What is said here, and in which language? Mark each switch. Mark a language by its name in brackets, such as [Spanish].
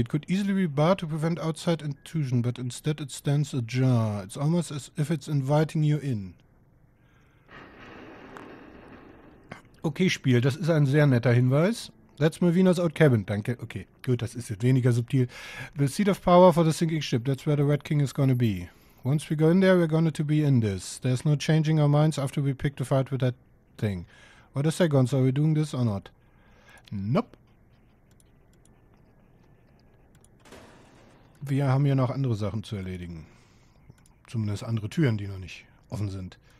[English] It could easily be barred to prevent outside intrusion, but instead it stands ajar. It's almost as if it's inviting you in. [German] Okay, Spiel, das ist ein sehr netter Hinweis. [English] That's Malvina's old cabin. [German] Danke. Okay, gut, das ist jetzt weniger subtil. [English] The seat of power for the sinking ship. That's where the Red King is gonna be. Once we go in there, we're gonna to be in this. There's no changing our minds after we pick the fight with that thing. What a second, are we doing this or not? Nope. [German] Wir haben hier noch andere Sachen zu erledigen. Zumindest andere Türen, die noch nicht offen sind.